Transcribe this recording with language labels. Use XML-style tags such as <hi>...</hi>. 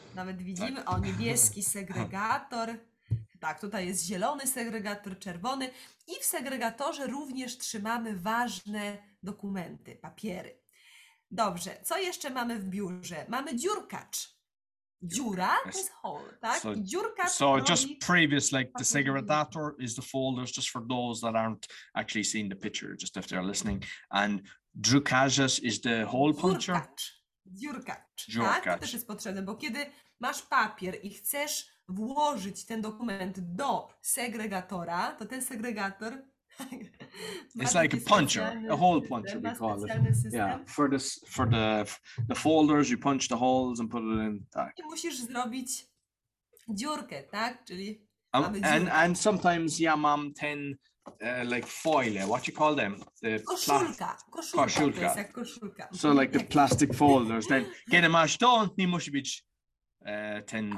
<pl>Nawet widzimy, tak. O, niebieski segregator. Tak, tutaj jest zielony segregator, czerwony. I w segregatorze również trzymamy ważne dokumenty, papiery. Dobrze, co jeszcze mamy w biurze? Mamy dziurkacz. Dziura to jest hole, tak? So, dziurkacz.</pl> <en>So just previous, like the segregator is the folders, just for those that aren't actually seeing the picture, just if they're listening. And drukarz is the hole puncher.</en> <pl>Dziurkacz. Tak, to też jest potrzebne, bo kiedy masz papier i chcesz włożyć ten dokument do segregatora, to ten segregator...</pl> <en>It's like a puncher, a hole puncher, we call it. Yeah, for the folders, you punch the holes and put it in, tak.</en> <pl>I musisz zrobić dziurkę, tak, czyli</pl> <en>And sometimes</en> <pl>ja mam ten...</pl> <en>like foil, what you call them?</en> <pl>The koszulka. To jest jak koszulka.</pl> <en>So like the plastic folders.</en> <pl>Then kiedy masz to, nie musi być ten...</pl>